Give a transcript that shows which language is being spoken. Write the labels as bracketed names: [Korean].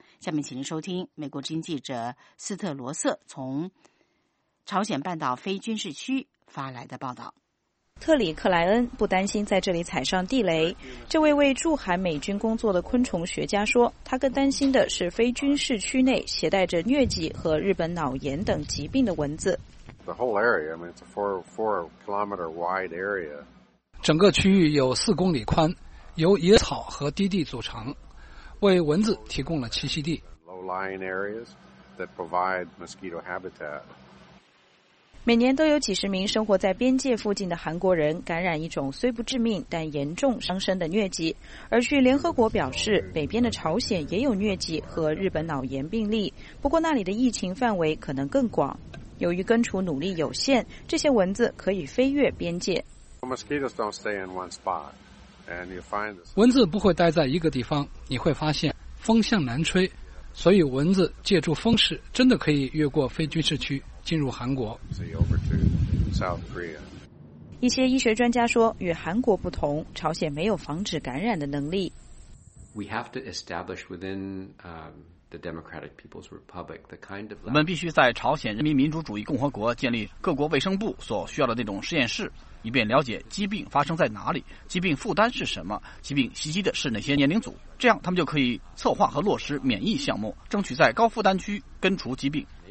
[Chinese] 下面请您收听美国之音记者斯特罗瑟从朝鲜半岛非军事区发来的报道。特里克莱恩不担心在这里踩上地雷，这位为驻韩美军工作的昆虫学家说，他更担心的是非军事区内携带着疟疾和日本脑炎等疾病的蚊子。 [English] The whole area, I mean, it's a four kilometer wide area. [Chinese] 整个区域有4公里宽，由野草和低地组成，为蚊子提供了栖息地。 [English] Low-lying areas that provide mosquito habitat. [Chinese] 每年都有几十名生活在边界附近的韩国人感染一种虽不致命但严重伤身的疟疾。而据联合国表示，北边的朝鲜也有疟疾和日本脑炎病例，不过那里的疫情范围可能更广。由于根除努力有限，这些蚊子可以飞越边界。 [English] Mosquitoes don't stay in one spot. [Chinese] 蚊子不会待在一个地方，你会发现风向南吹，所以蚊子借助风势真的可以越过非军事区进入韩国。一些医学专家说，与韩国不同，朝鲜没有防止感染的能力。 [English] We have to establish within the Democratic People's Republic the kind of [Chinese] 我们必须在朝鲜人民民主主义共和国建立各国卫生部所需要的那种实验室，以便了解疾病发生在哪里，疾病负担是什么，疾病袭击的是哪些年龄组，这样他们就可以策划和落实免疫项目，争取在高负担区根除疾病。